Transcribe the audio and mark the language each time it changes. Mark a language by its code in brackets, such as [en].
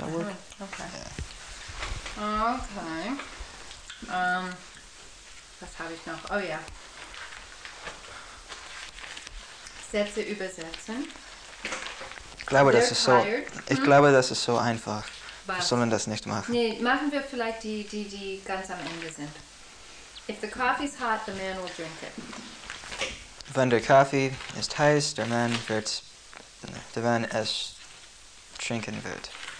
[de] okay. Okay. Was habe ich noch? Oh ja. Sätze übersetzen. Ich glaube, das ist so einfach. Was? Soll man das nicht machen? Nee, machen wir vielleicht die, die, die ganz am Ende sind. [en] If the coffee's hot, the man will drink it. [de] Wenn der Kaffee ist heiß, der Mann wird, der Mann es trinken wird.